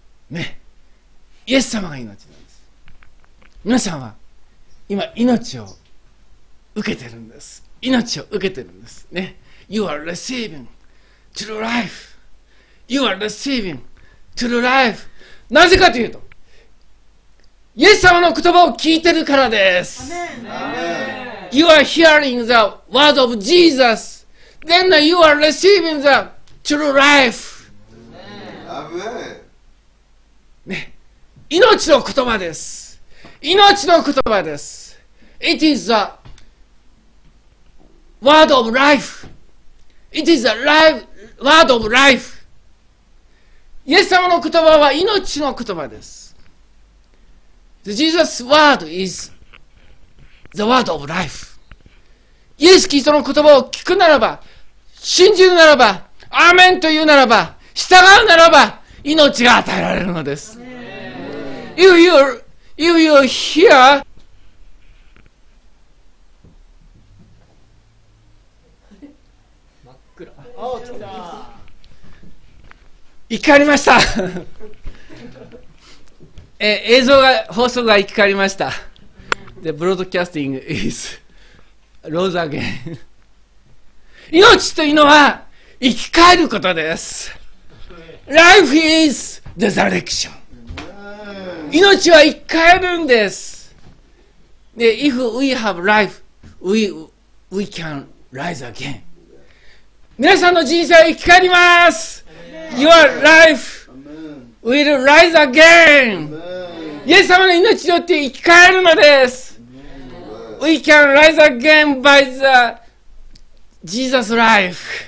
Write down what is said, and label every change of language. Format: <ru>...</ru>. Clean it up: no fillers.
<ja>ね。イエス様が命なんです。皆さんは今命を受けてるんです。命を受けてるんです。ね。</ja> <en>You are receiving true life. You are receiving true life.</en> <ja>なぜかというと、イエス様の言葉を聞いてるからです。アメン。</ja> <en>You are hearing the word of Jesus, then you are receiving the true life.</en> <ja>アメン。ね、命の言葉です。命の言葉です。</ja> <en>It is the word of life. It is the life, word of life.</en> <ja>イエス様の言葉は命の言葉です。</ja> <en>The Jesus word is the word of life.</en> <ja>イエス・キリストの言葉を聞くならば、信じるならば、アーメンと言うならば、従うならば、命が与えられるのです。</ja> <en>If you hear</en> <ja>真っ暗。あ、ちょっと。怒りました。映像が、放送が生き返りました。</ja> <en>The broadcasting is rose again.</en> <ja>命というのは生き返ることです。</ja> <en>Life is the resurrection.</en> <ja>命は生き返るんです。で、</ja> <en>If we have life, we can rise again.</en> <ja>皆さんの人生は生き返ります。</ja> <en>Your life will rise again.</en> <ja>イエス様の命によって生き返るのです。</ja> <en>We can rise again by the Jesus life.</en>